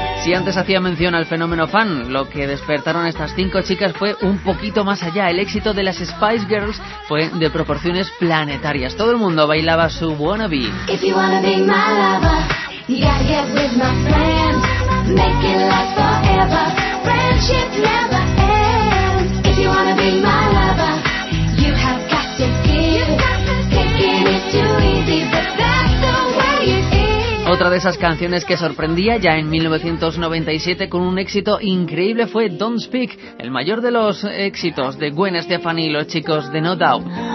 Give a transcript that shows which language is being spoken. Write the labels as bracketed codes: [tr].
[es] Y antes hacía mención al fenómeno fan, lo que despertaron estas cinco chicas fue un poquito más allá. El éxito de las Spice Girls fue de proporciones planetarias. Todo el mundo bailaba su Wannabe. [en] If you wanna be my lover, you gotta get with my friends, make it last forever, friendship never ends. If you wanna be my lover, you have got to give, taking it too easy, but that's the way it is. [es] Otra de esas canciones que sorprendía ya en 1997 con un éxito increíble fue Don't Speak, el mayor de los éxitos de Gwen Stefani y los chicos de No Doubt.